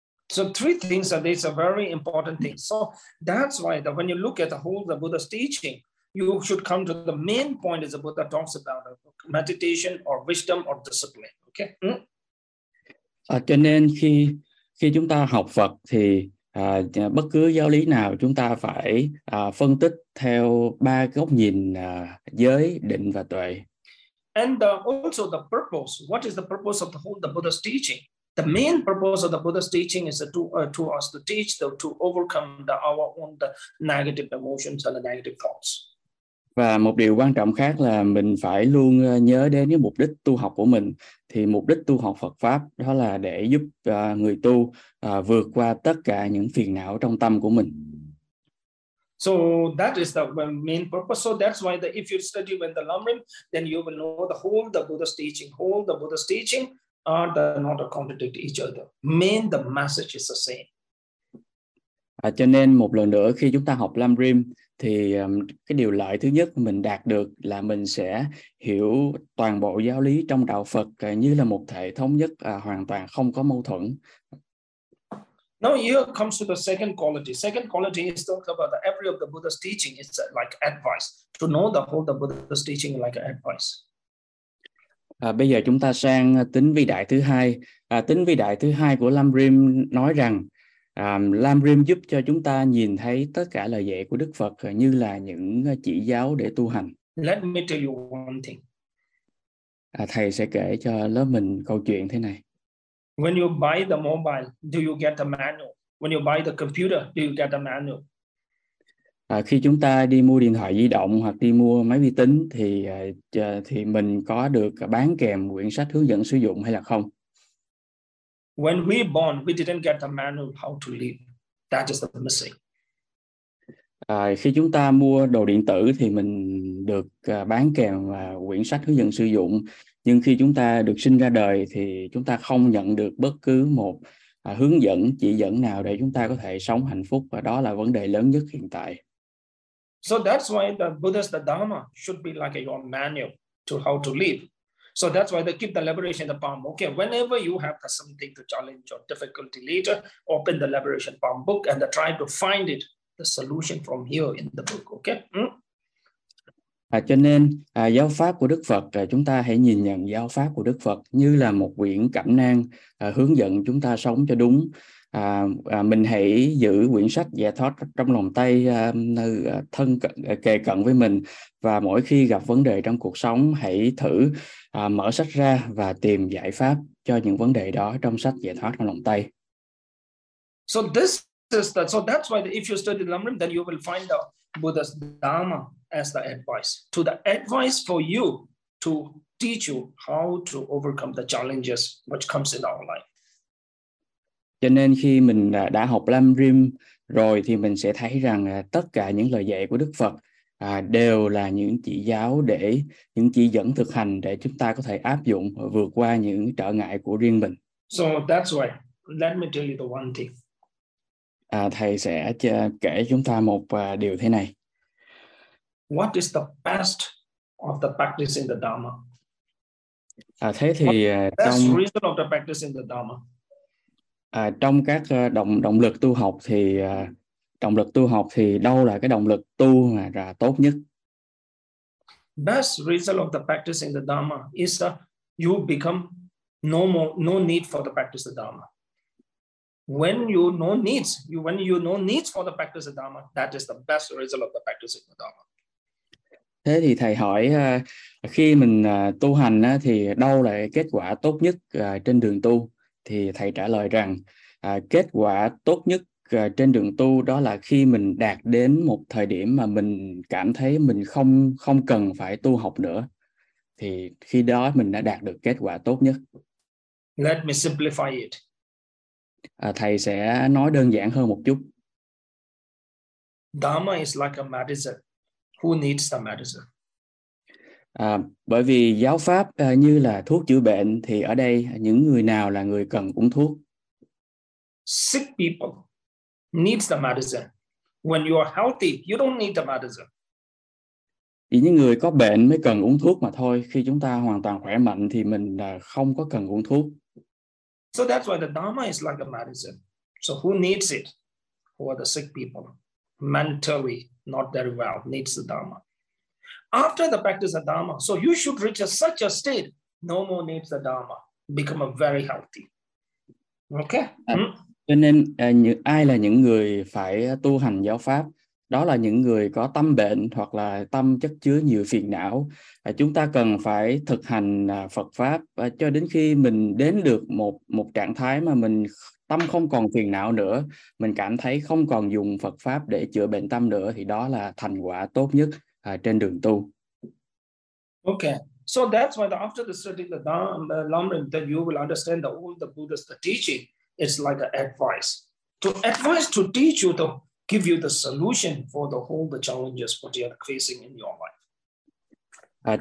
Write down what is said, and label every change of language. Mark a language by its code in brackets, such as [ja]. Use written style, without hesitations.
[en] So three things are these are very important things. So that's why that when you look at the whole the Buddha's teaching, you should come to the main point is the Buddha talks about meditation or wisdom or discipline. Okay. [vi] Cho nên khi chúng ta học Phật thì bất cứ giáo lý nào chúng ta phải phân tích theo ba góc nhìn giới, định và tuệ. [en] And also the purpose. What is the purpose of the whole the Buddha's teaching? The main purpose of the Buddha's teaching is to us to teach them to overcome our own the negative emotions and the negative thoughts. [vi] Và một điều quan trọng khác là mình phải luôn nhớ đến cái mục đích tu học của mình. Thì mục đích tu học Phật Pháp đó là để giúp người tu vượt qua tất cả những phiền não trong tâm của mình. [en] So that is the main purpose. So that's why the, if you study when the Lam Rim, then you will know the whole the Buddha's teaching. Whole the Buddha's teaching are the, not a contradict each other. Main the message is the same. [vi] Cho nên một lần nữa khi chúng ta học Lam Rim thì cái điều lợi thứ nhất mình đạt được là mình sẽ hiểu toàn bộ giáo lý trong đạo Phật như là một thể thống nhất hoàn toàn không có mâu thuẫn. [en] Now here comes to the second quality. Second quality is talk about the every of the Buddha's teaching is like advice. To know the whole the Buddha's teaching like advice. [vi] Bây giờ chúng ta sang tính vĩ đại thứ hai. Tính vĩ đại thứ hai của Lam Rim nói rằng Lam Rim giúp cho chúng ta nhìn thấy tất cả lời dạy của Đức Phật như là những chỉ giáo để tu hành. [en] Let me tell you one thing. [vi] Thầy sẽ kể cho lớp mình câu chuyện thế này. [en] When you buy the mobile, do you get the manual? When you buy the computer, do you get the manual? [vi] Khi chúng ta đi mua điện thoại di động hoặc đi mua máy vi tính thì mình có được bán kèm quyển sách hướng dẫn sử dụng hay là không? [en] When we born, we didn't get the manual how to live. That is the missing. [vi] Khi chúng ta mua đồ điện tử thì mình được bán kèm quyển sách hướng dẫn sử dụng. Nhưng khi chúng ta được sinh ra đời thì chúng ta không nhận được bất cứ một hướng dẫn, chỉ dẫn nào để chúng ta có thể sống hạnh phúc. Và đó là vấn đề lớn nhất hiện tại. [en] So that's why the Buddha's the Dharma should be like your manual to how to live. So that's why they keep the liberation palm. Okay, whenever you have something to challenge or difficulty later, open the liberation palm book and try to find it. The solution from here in the book, okay? [vi] Cho nên giáo pháp của Đức Phật, chúng ta hãy nhìn nhận giáo pháp của Đức Phật như là một quyển cẩm nang hướng dẫn chúng ta sống cho đúng. Mình hãy giữ quyển sách giải thoát trong lòng tay thân kề cận với mình, và mỗi khi gặp vấn đề trong cuộc sống hãy thử mở sách ra và tìm giải pháp cho những vấn đề đó trong sách giải thoát trong lòng tay. [en] So this is that. So that's why if you study Lam Rim, then you will find the Buddha's Dharma as the advice to the advice for you to teach you how to overcome the challenges which comes in our life. [vi] Cho nên khi mình đã học Lam Rim rồi thì mình sẽ thấy rằng tất cả những lời dạy của Đức Phật đều là những chỉ giáo để những chỉ dẫn thực hành để chúng ta có thể áp dụng vượt qua những trở ngại của riêng mình. [en] So that's why, let me tell you the one thing. [vi] Thầy sẽ kể chúng ta một điều thế này. [en] What is the best of the practice in the Dharma? [vi] Thế thì trong [en] best reason of the practice in the Dharma. [vi] Trong các động lực tu học thì động lực tu học thì đâu là cái động lực tu mà là tốt nhất? [en] Best result of the practice in the Dharma is that you become no need for the practice of Dharma. When you no needs, when you no needs for the practice of Dharma, that is the best result of the practice in the Dharma. [vi] Thế thì thầy hỏi khi mình tu hành thì đâu là kết quả tốt nhất trên đường tu? Thì thầy trả lời rằng kết quả tốt nhất trên đường tu đó là khi mình đạt đến một thời điểm mà mình cảm thấy mình không cần phải tu học nữa, thì khi đó mình đã đạt được kết quả tốt nhất. [en] Let me simplify it. [vi] Thầy sẽ nói đơn giản hơn một chút. [en] Dharma is like a medicine. Who needs the medicine? [vi] Bởi vì giáo pháp như là thuốc chữa bệnh, thì ở đây những người nào là người cần uống thuốc? [en] Sick people needs the medicine. When you are healthy, you don't need the medicine. [vi] Chỉ những người có bệnh mới cần uống thuốc mà thôi. Khi chúng ta hoàn toàn khỏe mạnh thì mình không có cần uống thuốc. [en] So that's why the Dharma is like a medicine. So who needs it? Who are the sick people? Mentally not very well needs the Dharma. After the practice of Dharma, so you should reach a such a state, no more needs the Dharma, become a very healthy. Okay? [vi] Cho nên ai là những người phải tu hành giáo pháp? Đó là những người có tâm bệnh hoặc là tâm chất chứa nhiều phiền não. Chúng ta cần phải thực hành Phật Pháp cho đến khi mình đến được một trạng thái mà mình tâm không còn phiền não nữa. Mình cảm thấy không còn dùng Phật Pháp để chữa bệnh tâm nữa, thì đó là thành quả tốt nhất. Trên đường tu. [en] Okay, so that's why after the study the Lam Rim, then you will understand all the Buddha's teaching. It's like an advice. To advise, to teach you, to give you the solution for the whole the challenges what you are facing in your life.